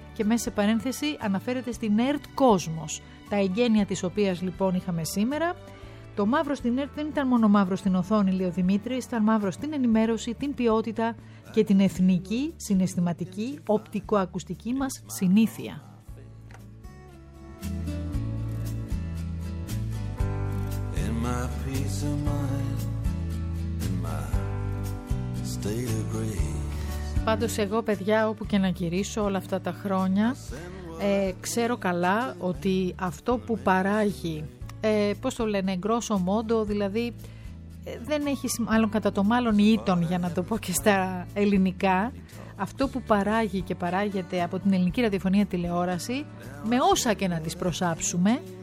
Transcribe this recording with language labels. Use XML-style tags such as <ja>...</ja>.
<el>Και μέσα σε παρένθεση αναφέρεται στην ΕΡΤ Κόσμος, τα εγγένεια της οποίας λοιπόν είχαμε σήμερα. Το μαύρο στην ΕΡΤ δεν ήταν μόνο μαύρο στην οθόνη, λέει ο Δημήτρης, ήταν μαύρο στην ενημέρωση, την ποιότητα και την εθνική, συναισθηματική, οπτικοακουστική μας συνήθεια.</el> <en>In my peace of mind, in my state of grace.</en> <el>Πάντως εγώ, παιδιά, όπου και να γυρίσω όλα αυτά τα χρόνια, ξέρω καλά ότι αυτό που παράγει, πώς το λένε, grosso modo, δηλαδή δεν έχει μάλλον κατά το μάλλον ήτον, για να το πω και στα ελληνικά, αυτό που παράγει και παράγεται από την ελληνική ραδιοφωνία τηλεόραση, με όσα και να τις προσάψουμε,</el>